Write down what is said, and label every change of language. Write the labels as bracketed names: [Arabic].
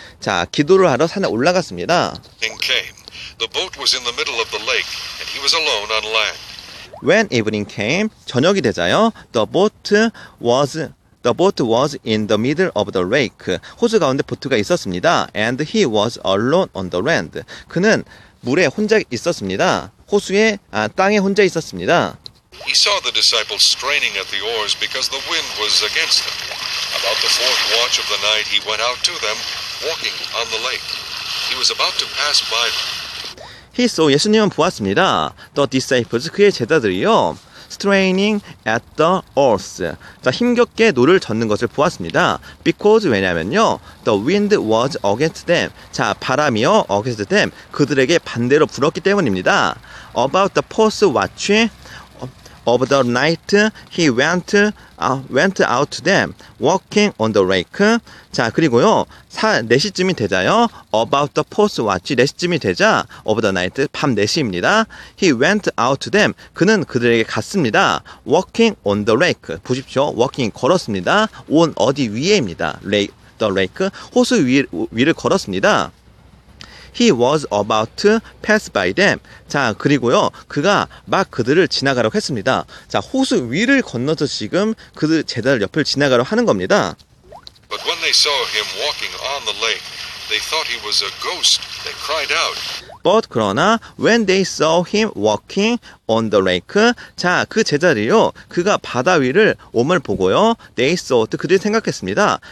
[Korean] 자, 기도를 하러 산에 올라갔습니다. [English] Evening came. The boat was in the middle of the lake, and he was alone on land. When evening came, [Korean] 저녁이 되자요, [English] the boat was in the middle of the lake. [Korean] 호수 가운데 보트가 있었습니다. [English] And he was alone on the land. [Korean] 그는 물에 혼자 있었습니다. 호수에, 아, 땅에 혼자 있었습니다. [English] He saw the disciples straining at the oars because the wind was against them. About the fourth watch of the night, he went out to them, walking on the lake. He was about to pass by them. He saw [Korean] 예수님은 보았습니다. [English] The disciples, [Korean] 그의 제자들이요. [English] Straining at the oars. [Korean] 자, 힘겹게 노를 젓는 것을 보았습니다. [English] Because, [Korean] 왜냐면요. [English] The wind was against them. [Korean] 자, 바람이요. [English] Against them. [Korean] 그들에게 반대로 불었기 때문입니다. [English] About the fourth watch of the night, he went out to them, walking on the lake. [Korean] 자, 그리고요, 4시쯤이 되자요. [English] About the fourth watch, [Korean] 4시쯤이 되자, [English] of the night, [Korean] 밤 4시입니다. [English] He went out to them, [Korean] 그는 그들에게 갔습니다. [English] Walking on the lake, [Korean] 보십시오. [English] Walking, [Korean] 걸었습니다. [English] On, [Korean] 어디 위에입니다. [English] The lake, [Korean] 호수 위를 걸었습니다. [English] He was about to pass by them. [Korean] 자, 그리고요, 그가 막 그들을 지나가려고 했습니다. 자, 호수 위를 건너서 지금 그들 제자들 옆을 지나가려고 하는 겁니다. [English] But when they saw him walking on the lake, they thought he was a ghost. They cried out. But [Korean] 그러나, [English] when they saw him walking on the lake, [Korean] 자, 그 제자들이요, 그가 바다 위를 옴을 보고요, [English] they thought, [Korean] 그들이 생각했습니다.